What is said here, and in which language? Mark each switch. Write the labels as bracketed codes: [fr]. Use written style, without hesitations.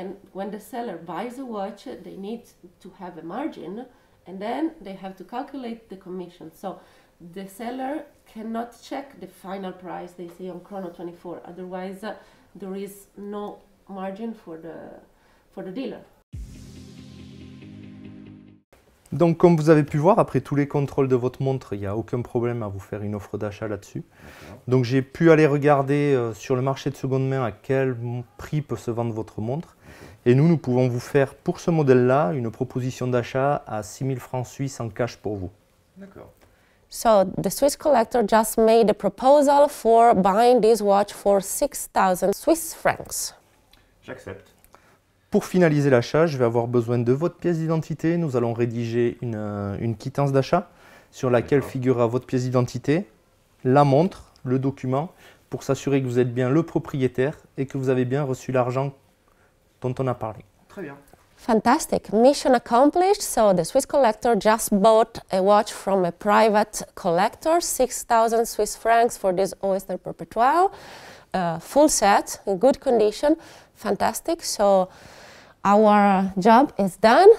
[en] And when the seller buys a watch, they need to have a margin, and then they have to calculate the commission. So the seller cannot check the final price they see on Chrono 24, otherwise there is no margin for the dealer. [fr] Donc comme vous avez pu voir, après tous les contrôles de votre montre, il n'y a aucun problème à vous faire une offre d'achat là-dessus. Donc j'ai pu aller regarder sur le marché de seconde main à quel prix peut se vendre votre montre. Et nous pouvons vous faire pour ce modèle-là une proposition d'achat à 6000 francs suisses en cash pour vous. D'accord. [en] So the Swiss collector just made a proposal for buying this watch for 6000 Swiss francs. [fr] J'accepte. Pour finaliser l'achat, je vais avoir besoin de votre pièce d'identité. Nous allons rédiger une quittance d'achat sur laquelle figurera votre pièce d'identité, la montre, le document, pour s'assurer que vous êtes bien le propriétaire et que vous avez bien reçu l'argent dont on a parlé. Très bien. [en] Fantastic. Mission accomplished. So the Swiss collector just bought a watch from a private collector, 6,000 Swiss francs for this Oyster Perpetual. Full set, in good condition, fantastic. So our job is done.